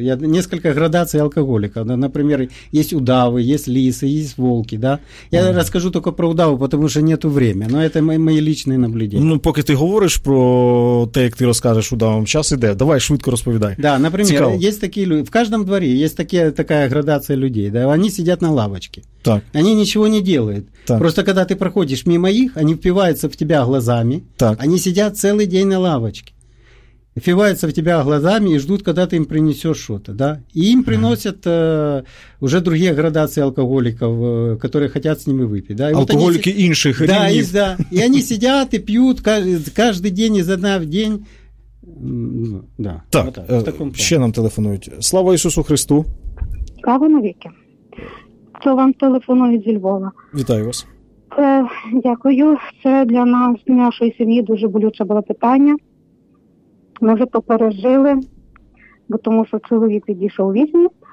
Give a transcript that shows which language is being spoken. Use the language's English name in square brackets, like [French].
[Ukrainian] Я несколько градацій алкоголіка. Наприклад, є удави, є ліси, є волки. Да? Я розкажу тільки про удаву, тому що нету часу. Але це мої лічні наблюдення. Ну, поки ти говориш про те, як ти розкажеш удавам, час іде. Давай, швидко розповідай. Да, наприклад, є такі люди. В кожному дворі є така градація людей. [Russian] Да, они сидят на лавочке. Так. Они ничего не делают. Так. Просто когда ты проходишь мимо их, они впиваются в тебя глазами. Так. Они сидят целый день на лавочке. Впиваются в тебя глазами и ждут, когда ты им принесешь что-то. Да? И им приносят уже другие градации алкоголиков, которые хотят с ними выпить. Да? Алкоголики вот инших. Да, да. И они сидят и пьют каждый день изо дня в день. Да. Так. Вот так, в таком [Ukrainian] ще нам телефонуют. Слава Ісусу Христу. Кава навіки. Це вам телефонує зі Львова. Вітаю вас. Дякую. Це для нас, для нашої сім'ї, дуже болюче було питання. Ми вже то пережили, бо тому що чоловік підійшов війни.